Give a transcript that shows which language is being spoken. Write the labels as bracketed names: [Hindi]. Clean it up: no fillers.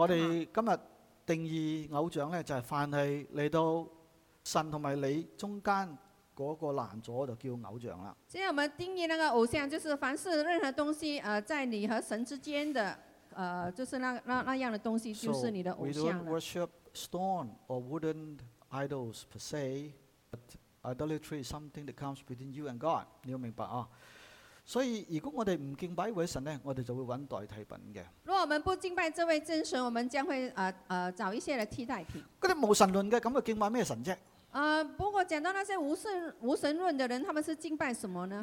[Chinese] 我们今天定义偶像就是凡是来到神和你中间那个拦阻就叫偶像了。现在我们定义那个偶像就是凡是任何东西在你和神之间的就是 那样的东西就是你的偶像了。 [English] So, we don't worship stone or wooden idols per se, but idolatry is something that comes between you and God. [Chinese] 你要明白所以如果我们不敬拜一位神，我们就会找代替品的。如果我们不敬拜这位真神，我们将会找一些的替代品。那些无神论的，那么敬拜什么神呢？不过讲到那些无神论的人，他们是敬拜什么呢？